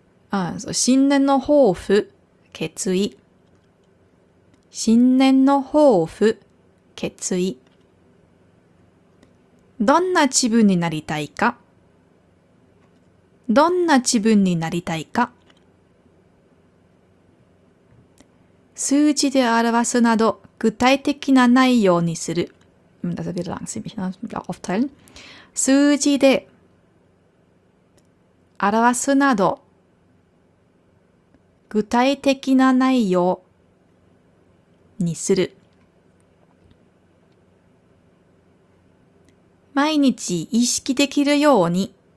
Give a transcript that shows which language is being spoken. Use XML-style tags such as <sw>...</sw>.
<ja>Also, 新年の抱負、決意。新年の抱負、決意。どんな自分になりたいか。どんな自分になりたいか。数字で表すなど具体的な内容にする。</ja> <de>Das wird langsam, ich muss mich aufteilen.</de> <ja>数字で表すなど具体的な内容。にする。毎日意識できるように。</ja>